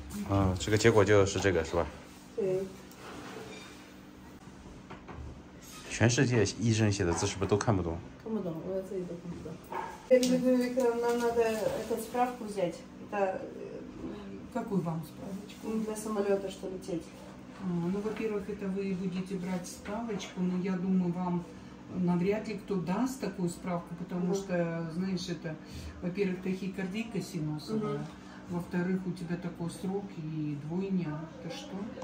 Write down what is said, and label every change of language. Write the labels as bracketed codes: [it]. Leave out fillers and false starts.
[ru] А, это же итог [zh] 就是这个是吧？对。全世界医生写的字是不是都看不懂？看不懂，我自己都看不懂。 [ru] Нам надо эту справку взять. Это какую вам справочку? Для самолета, что лететь. Ну, во-первых, это вы будете брать справочку, но я думаю, вам навряд ли кто даст такую справку, потому что, знаешь, это, во-первых, тахикардика синусовая, во-вторых, у тебя такой срок и двойня, это что?